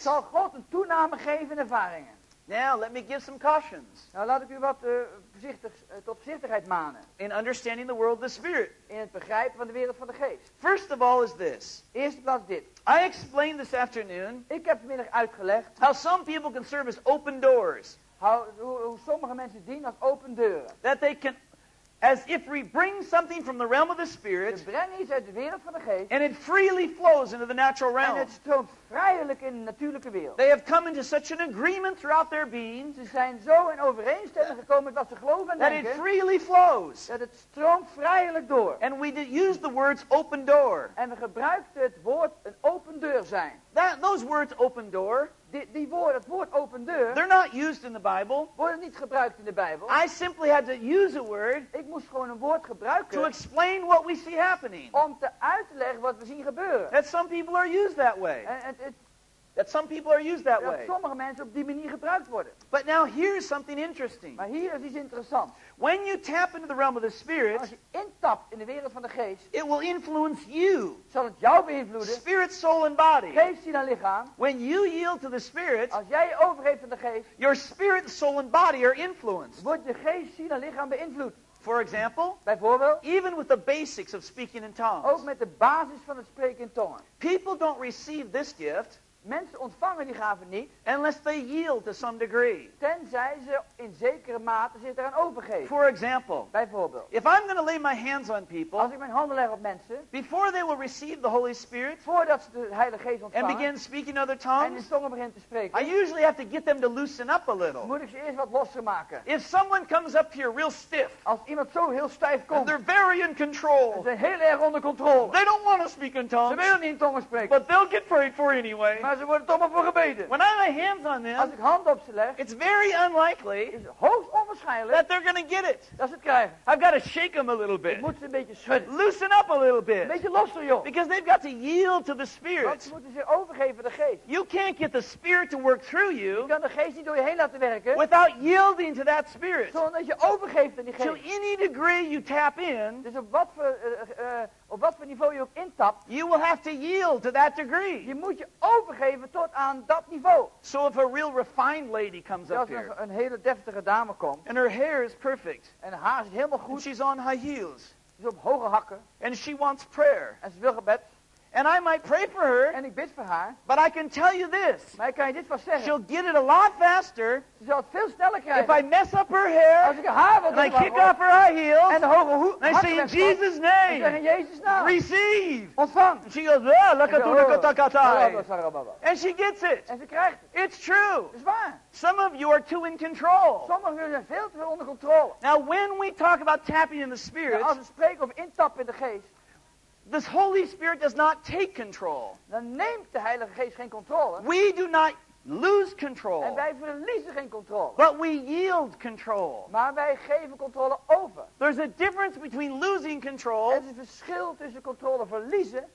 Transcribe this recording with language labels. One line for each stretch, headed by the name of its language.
Dutch: Zal God een toename geven in ervaringen.
English: Now let me give some cautions.
Dutch: Nou, laat ik u wat tot voorzichtigheid manen.
English: In understanding the world of the spirit.
Dutch: In het begrijpen van de wereld van de geest.
English: First of all is this.
Dutch: Eerste plaats dit.
English: I explained this afternoon.
Dutch: Ik heb vanmiddag uitgelegd.
English: How some people can serve as open doors.
Dutch: Hoe sommige mensen dienen als open deuren.
English: That they can as if we bring something from the realm of the spirit,
Dutch: we brengen iets uit de wereld van de geest,
English: and it freely flows into the natural realm.
Dutch: En het stroomt vrijelijk in de natuurlijke wereld.
English: They have come into such an agreement throughout their being.
Dutch: Ze zijn zo in overeenstemming gekomen met wat ze geloven en denken.
English: That it freely flows.
Dutch: Dat het stroomt vrijelijk door.
English: And we use the words open door.
Dutch: En we gebruikten het woord een open deur zijn.
English: That those words open door.
Dutch: Het woord open deur.
English: They're not used in the Bible.
Dutch: Worden niet gebruikt in de Bijbel.
English: I simply had to use a word.
Dutch: Ik moest gewoon een woord gebruiken.
English: To explain what we see happening.
Dutch: Om te uitleggen wat we zien gebeuren.
English: That some people are used that way. That some people are used that way.
Dutch: Dat sommige mensen op die manier gebruikt worden.
English: But now here's something interesting.
Dutch: Maar hier is iets interessants.
English: When you tap into the realm of the spirit,
Dutch: als je intapt in de wereld van de geest,
English: it will influence you.
Dutch: Zal het jou beïnvloeden?
English: Spirit, soul and body.
Dutch: Geest, ziel en lichaam.
English: When you yield to the spirit,
Dutch: als jij je overgeeft aan de geest,
English: your spirit, soul and body are influenced.
Dutch: Wordt je geest, ziel en lichaam beïnvloed?
English: For example,
Dutch: bijvoorbeeld,
English: even with the basics of speaking in tongues,
Dutch: ook met de basis van het spreken in tongen.
English: People don't receive this gift.
Dutch: Mensen ontvangen die gaven niet.
English: Unless they yield to some degree.
Dutch: Tenzij ze in zekere mate zich eraan overgeven.
English: For example,
Dutch: bijvoorbeeld,
English: if I'm going to lay my hands on people,
Dutch: als ik mijn handen leg op mensen,
English: before they will receive the Holy Spirit,
Dutch: voordat ze de Heilige Geest ontvangen,
English: and begin speaking other tongues,
Dutch: en in tongen begint te spreken,
English: I usually have to get them to loosen up a little.
Dutch: Moet ik ze eerst wat losser maken.
English: If someone comes up here real stiff,
Dutch: als iemand zo heel stijf komt,
English: and they're very in control,
Dutch: en ze zijn heel erg onder controle,
English: they don't want to speak in tongues,
Dutch: ze willen niet in tongen spreken,
English: but they'll get prayed for anyway.
Dutch: Maar ze worden toch maar voor gebeden.
English: When I lay hands on them,
Dutch: als ik hand op ze leg,
English: it's very unlikely,
Dutch: is het hoogst onwaarschijnlijk,
English: that they're going to get it.
Dutch: Dat ze het krijgen.
English: I've got to shake them a little bit.
Dutch: Ik moet ze een beetje schudden.
English: Loosen up a little bit.
Dutch: Een beetje losser, joh.
English: Because they've got to yield to the spirit.
Dutch: Want ze moeten zich overgeven aan de geest.
English: You can't get the spirit to work through you.
Dutch: Je kan de geest niet door je heen laten werken.
English: Without yielding to that spirit.
Dutch: Zonder je overgeeft aan die geest.
English: To any degree you tap in.
Dutch: Dus op wat voor op wat voor niveau je ook intapt,
English: you will have to yield to that degree.
Dutch: Je moet je overgeven tot aan dat niveau.
English: So if a real refined lady comes up here,
Dutch: als een hele deftige dame komt,
English: and her hair is perfect,
Dutch: en haar is helemaal goed,
English: and she's on high heels,
Dutch: is op hoge hakken,
English: and she wants prayer,
Dutch: en ze wil gebed.
English: And I might pray for her.
Dutch: En ik bid voor haar.
English: But I can tell you this.
Dutch: Maar ik kan je dit wel zeggen.
English: She'll get it a lot faster.
Dutch: Ze zal het veel sneller krijgen.
English: If I mess up her hair.
Dutch: Als ik haar wil
English: doen. And I kick off her high heels.
Dutch: En de hoge hoek.
English: And I say in Jesus' name.
Dutch: En ik zeg in Jezus' naam.
English: Receive.
Dutch: Ontvang.
English: And she goes, ah, lakatunakatakatai. And she gets it.
Dutch: En ze krijgt het.
English: It's true.
Dutch: Is waar.
English: Some of you are too in control.
Dutch: Sommigen zijn veel te veel onder controle.
English: Now when we talk about tapping in the spirit.
Dutch: Als we spreken over intappen in de geest.
English: This Holy Spirit does not take control.
Dutch: Dan neemt de Heilige Geest geen controle.
English: We do not lose control.
Dutch: En wij verliezen geen controle.
English: But we yield control.
Dutch: Maar wij geven controle over.
English: There's a difference between losing control.
Dutch: Er is een verschil tussen controle verliezen.